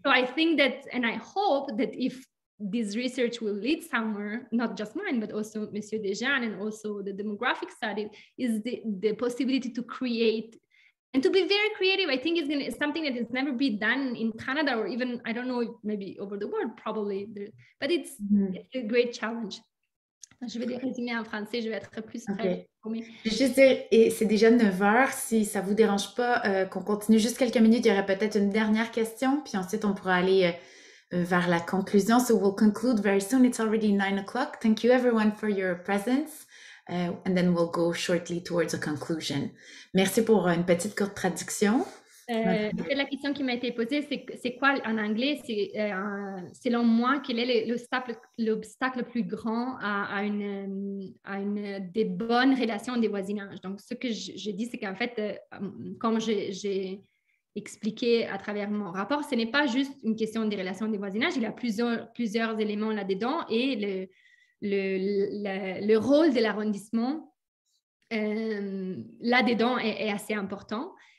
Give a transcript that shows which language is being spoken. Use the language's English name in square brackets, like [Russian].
[English] So I think that, and I hope that if this research will lead somewhere, not just mine, but also Monsieur Dejean and also the demographic study, is the possibility to create and to be very creative. I think it's something that has never been done in Canada or even, I don't know, maybe over the world, probably. But it's, mm-hmm. it's a great challenge. [French] Je vais les résumer en français, je vais être plus prête. [English] Okay. [French] Je vais juste dire, et c'est déjà 9h, si ça ne vous dérange pas qu'on continue juste quelques minutes, il y aurait peut-être une dernière question, puis ensuite on pourra aller vers la conclusion. [English] So we'll conclude very soon. It's already 9 o'clock. Thank you everyone for your presence. And then we'll go shortly towards a conclusion. [French] Merci pour une petite courte traduction. La question qui m'a été posée, c'est quoi en anglais? Selon moi, quel est l'obstacle le plus grand à une des bonnes relations de voisinage? Donc, ce que je dis, c'est qu'en fait, comme j'ai expliquer à travers mon rapport, ce n'est pas juste une question des relations de voisinage, il y a plusieurs éléments là-dedans et le rôle de l'arrondissement là-dedans est assez important.